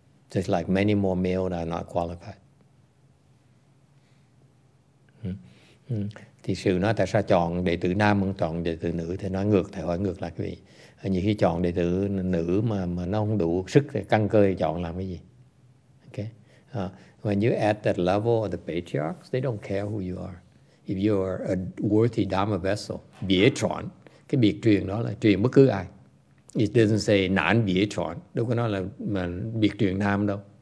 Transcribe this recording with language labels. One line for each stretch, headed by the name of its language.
English: Just like many more male are not qualified.
Vietnamese: Thì sự nói tại sao chọn đệ tử nam không chọn đệ tử nữ, thì nói ngược, thầy hỏi ngược là cái gì? Nhiều khi chọn đệ tử nữ mà nó không đủ sức căng cơ thì chọn làm cái gì? Okay.
English: When you're at that level of the patriarchs, they don't care who you are. If you are a worthy Dharma vessel,
Vietnamese: bỉa chọn, cái biệt truyền đó là truyền bất cứ ai.
English: It doesn't say
Vietnamese: nản bỉa chọn, đâu có nói là biệt truyền nam đâu.